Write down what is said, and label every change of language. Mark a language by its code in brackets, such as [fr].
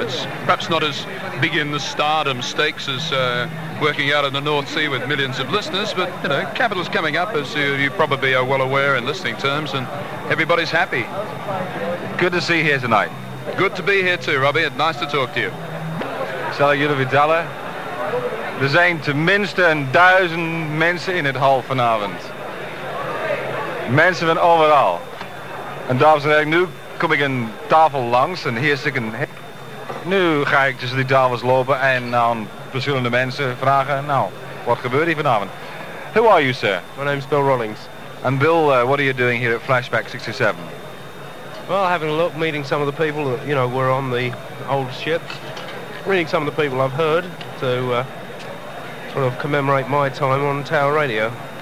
[en] It's perhaps not as big in the stardom stakes as working out in the North Sea with millions of listeners, but, you know, Capital's coming up, as you probably are well aware in listening terms, and everybody's happy. Good to see you here tonight. Good to be here too, Robbie, and nice to talk to you. [nl] Zal ik jullie vertellen? Er zijn tenminste 1000 mensen in het hal vanavond. Mensen van overal. En dames en heren, nu kom ik een tafel langs en hier zit een... Nu ga ik tussen die tafels lopen en aan verschillende mensen vragen, nou, wat gebeurt hier vanavond? [en] Who are you, sir? My name's Bill Rawlings. And Bill, what are you doing here at Flashback 67? Well, having a look, meeting some of the people that, you know, were on the old ship, reading some of the people I've heard to sort of commemorate my time on Tower Radio.